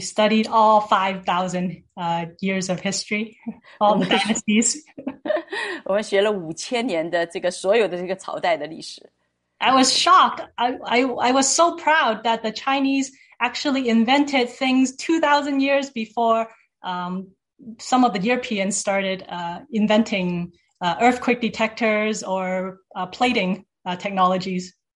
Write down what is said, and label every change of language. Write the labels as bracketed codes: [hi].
[en] studied all 5,000 years of history, all the dynasties. [zh] 我们学了5000年的这个所有的这个朝代的历史。 [en] I was shocked. I was so proud that the Chinese actually invented things 2,000 years before some of the Europeans started inventing earthquake detectors or plating technologies.